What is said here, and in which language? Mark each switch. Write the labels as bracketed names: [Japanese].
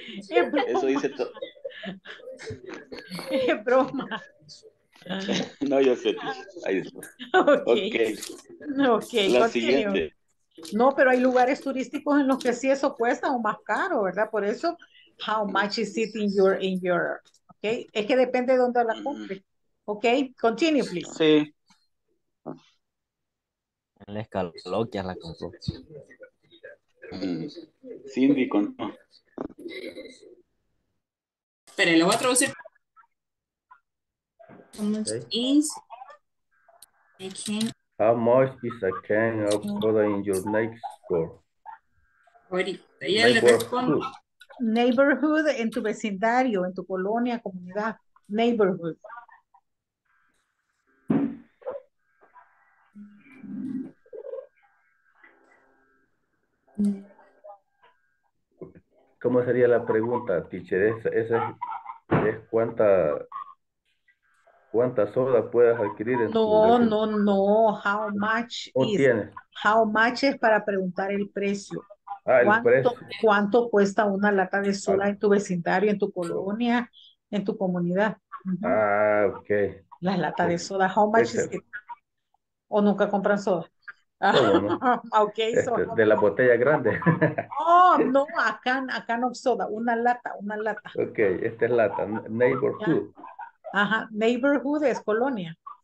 [Spanish] Es broma. Eso dice todo. Es broma. No, yo sé. Ahí está. [English] Okay. [Spanish] La siguiente. No, pero hay lugares turísticos en los que sí eso cuesta o más caro, ¿verdad? Por eso, [English] how much is it in your, okay? [Spanish] Es que depende de dónde la compre. [English] Okay, continue, please. [Spanish] Sí. En la escalofloquia la compró. Cindy, con... Espera, lo voy a traducir. [English] How much is a can of soda in your neighborhood? [Spanish] Neighborhood, en tu vecindario, en tu colonia, comunidad. [English] Neighborhood. [Spanish] ¿Cómo sería la pregunta, teacher? ¿Es cuánta... ¿Cuántas soda puedes adquirir? [English] No. How much is? [Spanish] ¿Tienes? [English] How much [Spanish] es para preguntar el precio. Ah, el precio. ¿Cuánto cuesta una lata de soda en tu vecindario, en tu colonia, en tu comunidad? [English] Ok. [Spanish] La lata de soda, [English] how much is it? [Spanish] ¿O nunca compran soda? No. Ok. Soda. De la botella grande. No, acá no soda, una lata. Ok, esta es lata, neighborhood. Yeah. Ajá, neighborhood es colonia.